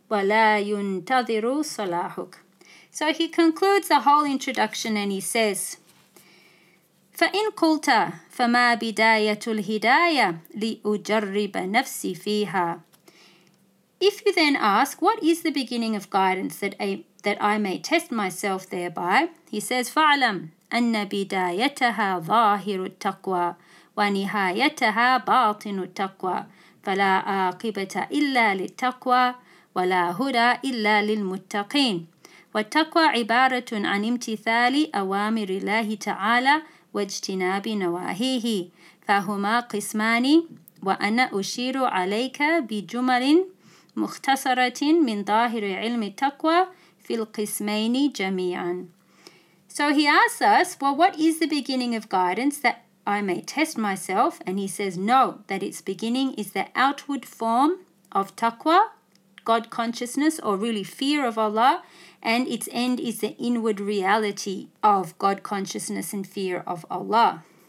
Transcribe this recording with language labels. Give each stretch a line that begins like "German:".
Arabic: وَلَا يُنْتَظِرُ صَلَاحُكَ
English: So he concludes the whole introduction and he says,
Arabic: فَإِنْ قُلْتَ فَمَا بِدَايَةُ الْهِدَايَةِ لِأُجَرِّبَ نَفْسِي فِيهَا
English: If you then ask, what is the beginning of guidance that I may test myself thereby? He says,
Arabic: فَعْلَمْ أَنَّ بِدَايَتَهَا ظَاهِرُ التَّقْوَى ونهايتها باطن التقوى فلا عاقبة إلا للتقوى ولا هدى إلا للمتقين والتقوى عبارة عن امتثال أوامر الله تعالى واجتناب نواهيه فهما قسمان وأنا أشير عليك بجمل مختصرة من ظاهر علم التقوى في القسمين جميعا.
English: So he asks us, well, what is the beginning of guidance that I may test myself? And he says, no, that its beginning is the outward form of taqwa, God consciousness, or really fear of Allah, and its end is the inward reality of God consciousness and fear of Allah.